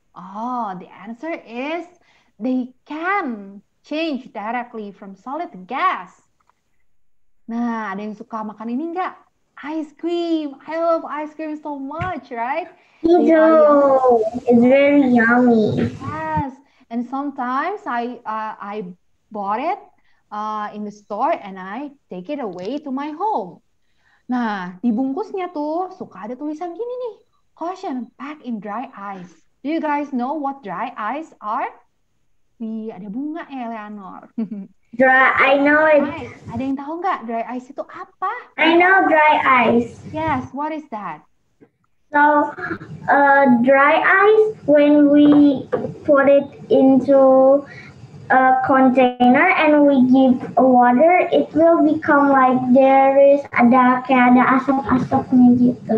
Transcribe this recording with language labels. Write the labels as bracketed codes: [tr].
[en] Oh, the answer is they can change directly from solid to gas. [id] Nah, ada yang suka makan ini enggak? [en] Ice cream. I love ice cream so much, right? Me too. It's very yummy. Yes. And sometimes I bought it in the store and I take it away to my home. [id] Nah, di bungkusnya tuh suka ada tulisan gini nih. [en] Caution, pack in dry ice. Do you guys know what dry ice are? [id] Nih, ada bunga ya, Eleanor. [en] Dry, I know it. [id] Ada yang tahu nggak dry ice itu apa? [en] I know dry ice. Yes, what is that? So, dry ice, when we put it into a container and we give water, it will become like there is [id] ada kayak ada asap-asapnya gitu.